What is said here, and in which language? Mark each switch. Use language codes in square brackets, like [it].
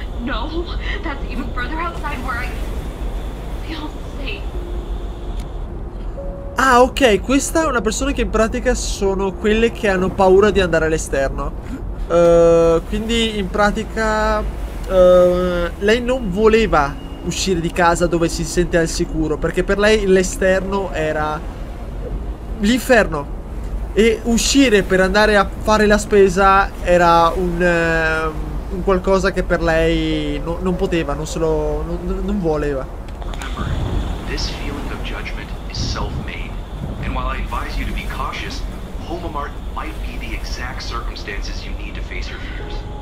[en] No, that's even further outside where I feel safe. [it] Ah, ok, questa è una persona che in pratica sono quelle che hanno paura di andare all'esterno. Quindi in pratica lei non voleva uscire di casa dove si sente al sicuro, perché per lei l'esterno era l'inferno e uscire per andare a fare la spesa era un qualcosa che per lei non poteva, non voleva. [en] Remember, this feeling of judgment is self-made, and while I advise you to be cautious, Home Mart might be the exact circumstances you need to face your fears.